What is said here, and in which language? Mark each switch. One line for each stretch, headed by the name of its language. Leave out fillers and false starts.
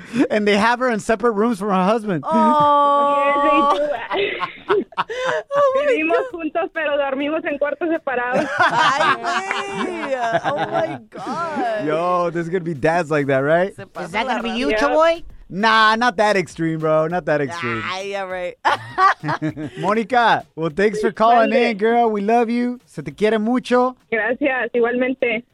English: And they have her in separate rooms from her husband. Oh. Yes, they do.
Spanish: Oh, vivimos juntos, pero dormimos en cuartos separados. Ay,
English: hey. Oh, my God. Yo, there's going to be dads like that, right? Is that going to be you, Chavoy? Nah, not that extreme, bro. Not that extreme. Ah, yeah, right. Monica, well, thanks for calling in, girl. We love you.
Spanish: Se te quiere mucho. Gracias, igualmente.